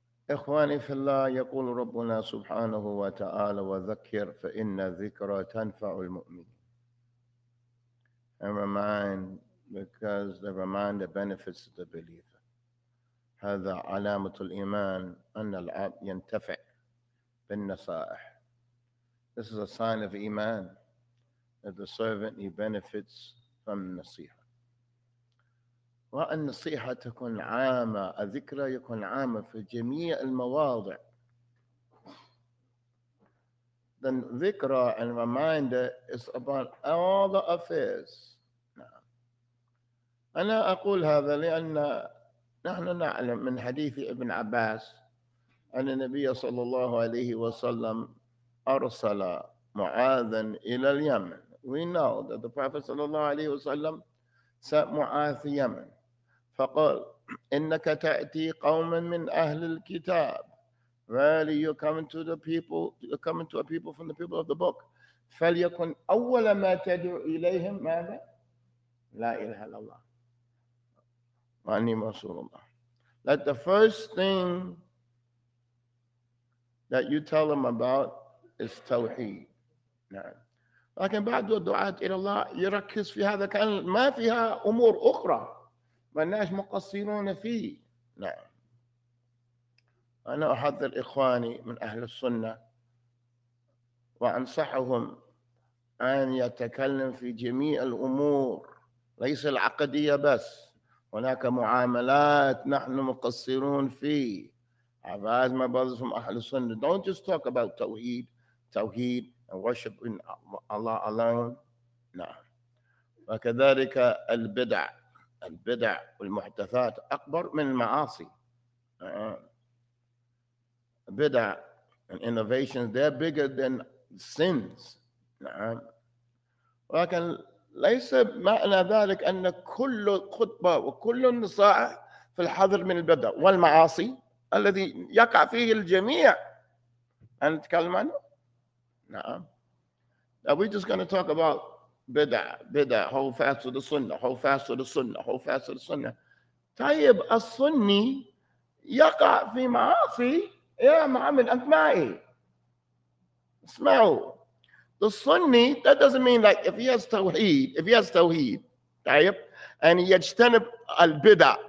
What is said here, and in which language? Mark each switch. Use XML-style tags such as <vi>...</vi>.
<ar>إخواني في الله، يقول ربنا سبحانه وتعالى: وذكر فإن الذكرى تنفع المؤمنين.</ar> <en>And remind, because the reminder benefits the believer.</en> <ar>هذا علامة الإيمان، أن العبد ينتفع بالنصائح.</ar> <en>This is a sign of iman, that the servant, he benefits from النصيحة.</en> <ar>والنصيحة تكون عامة، الذكرى يكون عامة في جميع المواضع.</ar> <en>The ذكرى and reminder is about all the affairs.</en> <ar>أنا أقول هذا لأن نحن نعلم من حديث ابن عباس أن النبي صلى الله عليه وسلم أرسل معاذا إلى اليمن.</ar> <en>We know that the Prophet</en> <ar>صلى الله عليه وسلم</ar> <en>sent معاذ اليمن.</en> <ar>فقال: إنك تأتي قوما من أهل الكتاب.</ar> <en>Really, you're coming to the people. You're coming to a people from the people of the book.</en> <ar>فليكن أول ما تدعو إليهم ماذا؟ لا إله إلا الله. وأني رسول الله.</ar> <en>Let the first thing that you tell them about is توحيد.</en> <ar>نعم. لكن بعد الدعاء إلى الله يركز في هذا، كان ما فيها أمور أخرى. مناش مقصرون فيه. نعم. أنا أحذر إخواني من أهل السنة وأنصحهم أن يتكلم في جميع الأمور، ليس العقدية بس. هناك معاملات نحن مقصرون فيه.</ar> <en>I've asked my brothers from Ahl al-Sunnah, don't just talk about Tawheed, Tawheed and worshiping Allah alone. No.</en> <ar>وكذلك البدع، البدع والمحدثات أكبر من المعاصي.</ar> <en>بدع and innovations, they're bigger than sins. نعم.</en> <ar>ولكن ليس معنى ذلك أن كل خطبة وكل النصائح في الحذر من البدع والمعاصي الذي يقع فيه الجميع. أنا أتكلم عنه؟ نعم.</ar> <en>Are we just going to talk about</en> <ar>بدع، بدع، هو فاسد السنة، هو فاسد السنة، هو فاسد السنة؟ طيب السني يقع في معاصي؟ يا محمد أنت معي. اسمعوا.</ar> <en>The Sunni, that doesn't mean like if he has tawheed, if he has tawheed, طيب, and he</en> <ar>يجتنب البدع.</ar>